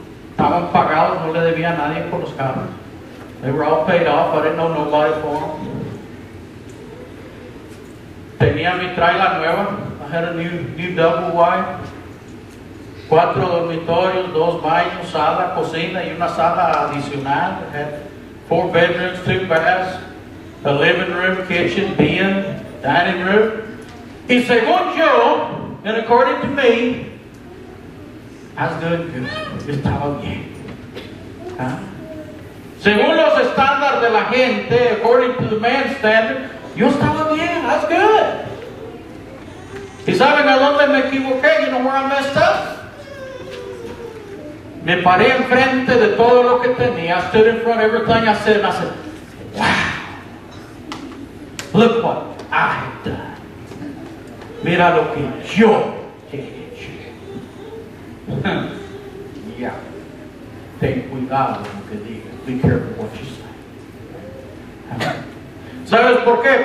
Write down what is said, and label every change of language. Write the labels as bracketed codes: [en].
[es] Estaban pagados, no le debía a nadie por los carros. [en] They were all paid off, I didn't know nobody for them. [es] Tenía mi trailer nueva, [en] I had a new double wide. [es] Cuatro dormitorios, dos baños, sala, cocina y una sala adicional. [en] I had four bedrooms, two baths, a living room, kitchen, den, dining room. [es] Y según yo, [en] and according to me, I was doing good. [es] Yo estaba bien. ¿Ah? Según los estándares de la gente, [en] according to the man's standard, [es] yo estaba bien. [en] I was good. [es] ¿Y saben a dónde me equivoqué? [en] You know where I messed up? [es] Me paré enfrente de todo lo que tenía. [en] I stood in front of everything I said, and I said, wow, look what I've done. [es] Mira lo que yo he hecho. Yeah. Ten cuidado lo que digas. [en] Be careful what you say. [es] ¿Sabes por qué?